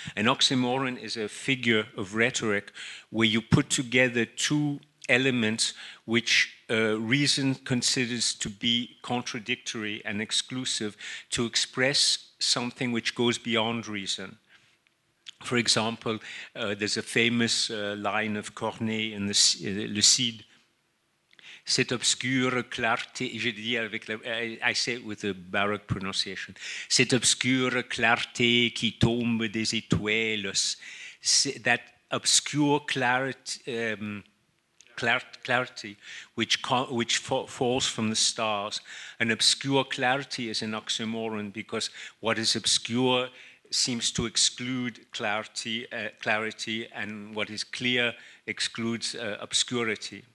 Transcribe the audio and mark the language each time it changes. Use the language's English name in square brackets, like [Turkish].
[English] An oxymoron is a figure of rhetoric where you put together two elements which reason considers to be contradictory and exclusive to express something which goes beyond reason. For example, there's a famous line of Corneille in the Le Cid. [French] Cette obscure clarté, je dis avec la, [English] I say it with a Baroque pronunciation. [French] Cette obscure clarté qui tombe des étoiles. [English] That obscure clarity, which falls from the stars. An obscure clarity is an oxymoron, because what is obscure seems to exclude clarity, and what is clear excludes obscurity.